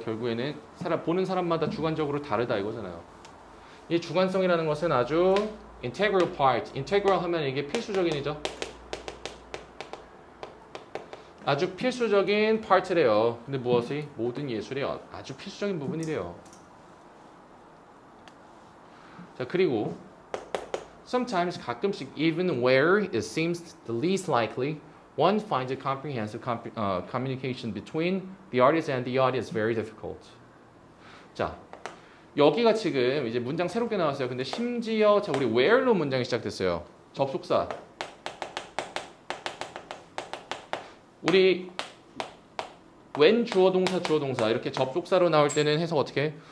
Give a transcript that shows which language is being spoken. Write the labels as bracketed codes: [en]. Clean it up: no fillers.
[ko] 결국에는 보는 사람마다 주관적으로 다르다 이거잖아요. 이 주관성이라는 것은 아주 [en] integral part. [ko] integral 하면 이게 필수적인이죠. 아주 필수적인 파트래요. 근데 무엇이? 모든 예술의 아주 필수적인 부분이래요. 자, 그리고 [en] sometimes [ko] 가끔씩 [en] even where it seems the least likely, one finds a comprehensive communication between the artist and the audience very difficult. [ko] 자, 여기가 지금 이제 문장 새롭게 나왔어요. 근데 심지어 자, 우리 where로 문장이 시작됐어요. 접속사. 우리 when 주어 동사 주어 동사 이렇게 접속사로 나올 때는 해석 어떻게 해?